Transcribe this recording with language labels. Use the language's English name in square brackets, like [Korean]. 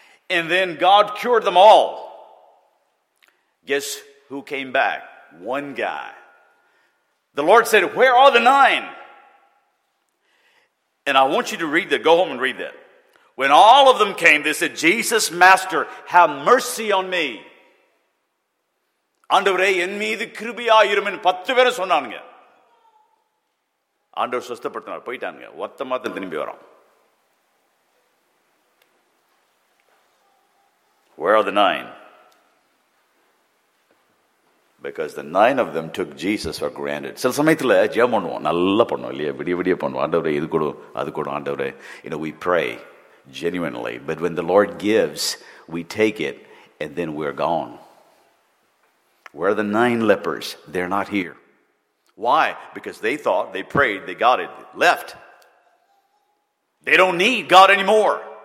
[English] And then God cured them all. Guess who came back? One guy. The Lord said, where are the nine? And I want you to read that. Go home and read that. When all of them came, they said, Jesus, Master, have mercy on me. [Tamil] ஆண்டவரே என் மீது கிருபையாயிரும் பத்து பேரை சொன்னானுங்க. ஆண்டவர் சுஸ்தப்படுத்தினார், போயிட்டானுங்க. ஒத்த மாத்திரம் திரும்பி வரோம். [English] Where are the nine? Because the nine of them took Jesus for granted. [Tamil] சில சமயத்தில் ஜெபம் பண்ணுவோம், நல்லா பண்ணுவோம் இல்லையா, விடிய விடிய பண்ணுவோம், ஆண்டவரே இது கொடு அது கொடு ஆண்டவரே. [English] You know, we pray genuinely. But when the Lord gives, we take it, and then we're gone. Where are the nine lepers? They're not here. Why? Because they thought, they prayed, they got it, left. They don't need God anymore.